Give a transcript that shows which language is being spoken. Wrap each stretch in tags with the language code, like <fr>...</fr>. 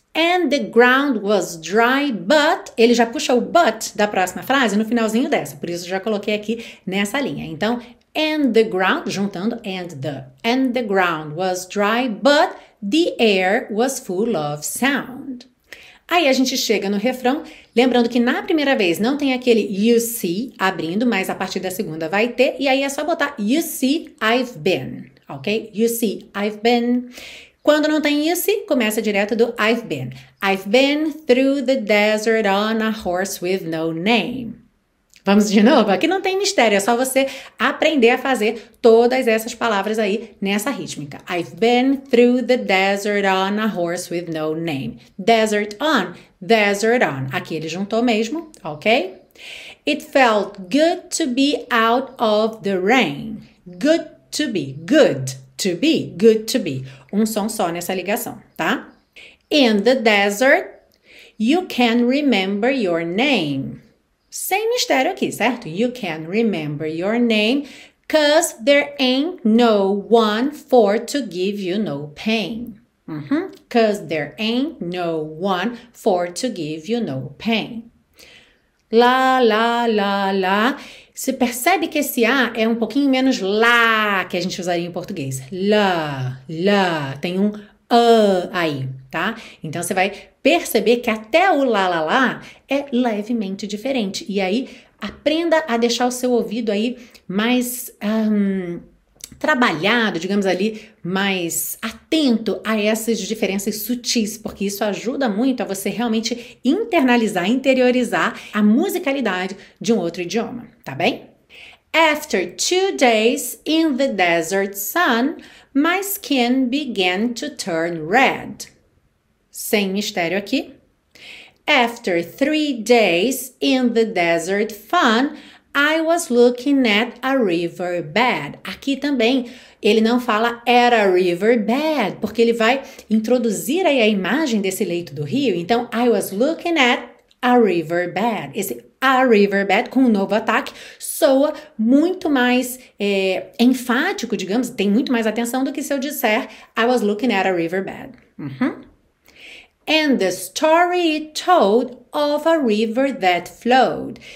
<en>And the ground was dry, but.</en> <pt>Ele já puxa o but da próxima frase no finalzinho dessa, por isso já coloquei aqui nessa linha.</pt> <en>Então, and the ground, juntando and the ground was dry, but the air was full of sound.</en> <pt>Aí a gente chega no refrão, lembrando que na primeira vez não tem aquele you see abrindo, mas a partir da segunda vai ter, e aí é só botar</pt> <en>you see I've been,</en> <pt>Ok?</pt> <en>You see, I've been.</en> <pt>Quando não tem</pt> <en>you see,</en> <pt>começa direto do</pt> <en>I've been. I've been through the desert on a horse with no name.</en> <pt>Vamos de novo? Aqui não tem mistério, é só você aprender a fazer todas essas palavras aí nessa rítmica.</pt> <en>I've been through the desert on a horse with no name. Desert on, desert on.</en> <pt>Aqui ele juntou mesmo, ok?</pt> <en>It felt good to be out of the rain. Good to be, good to be, good to be.</en> <pt>Um som só nessa ligação, tá?</pt> <en>In the desert, you can remember your name.</en> <pt>Sem mistério aqui, certo?</pt> <en>You can remember your name, 'cause there ain't no one for to give you no pain. 'Cause there ain't no one for to give you no pain. Lá, lá, lá, lá.</en> <pt>Você percebe que esse A é um pouquinho menos lá que a gente usaria em português. Lá, lá. Tem um A aí, tá? Então você vai perceber que até o lá, lá, lá é levemente diferente. E aí aprenda a deixar o seu ouvido aí mais trabalhado, digamos ali, mais atento a essas diferenças sutis, porque isso ajuda muito a você realmente internalizar, interiorizar a musicalidade de um outro idioma, tá bem?</pt> <en>After 2 days in the desert sun, my skin began to turn red.</en> <pt>Sem mistério aqui.</pt> <en>After 3 days in the desert sun, I was looking at a river bed.</en> <pt>Aqui também ele não fala</pt> <en>at a river bed,</en> <pt>porque ele vai introduzir aí a imagem desse leito do rio.</pt> <en>Então, I was looking at a river bed.</en> <pt>Esse a river bed com um novo ataque soa muito mais enfático, digamos, tem muito mais atenção do que se eu disser</pt> <en>I was looking at a river bed. And the story it told of a river that flowed.</en>